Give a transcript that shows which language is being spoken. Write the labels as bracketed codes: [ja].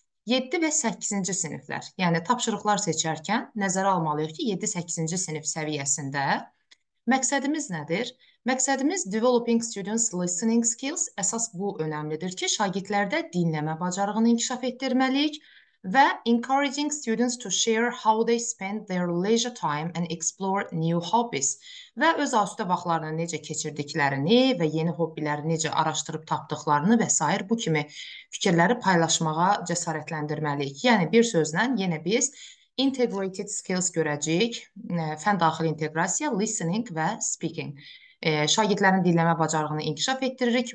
[az] 7 və 8-ci siniflər, yəni tapşırıqlar seçərkən nəzərə almalıyıq ki, 7-8-ci sinif səviyyəsində məqsədimiz nədir? Məqsədimiz Developing Students Listening Skills. Əsas bu önəmlidir ki, şagirdlərdə dinləmə bacarığını inkişaf etdirməliyik. [en] Və encouraging students to share how they spend their leisure time and explore new hobbies. [az] Və öz asudə vaxtlarını necə keçirdiklərini və yeni hobbiləri necə araşdırıb tapdıqlarını və s. bu kimi fikirləri paylaşmağa cəsarətləndirməliyik. Yəni bir sözlə yenə biz integrated skills görəcəyik. Fən daxili inteqrasiya, listening və speaking. Şagirdlərin dinləmə bacarığını inkişaf etdiririk.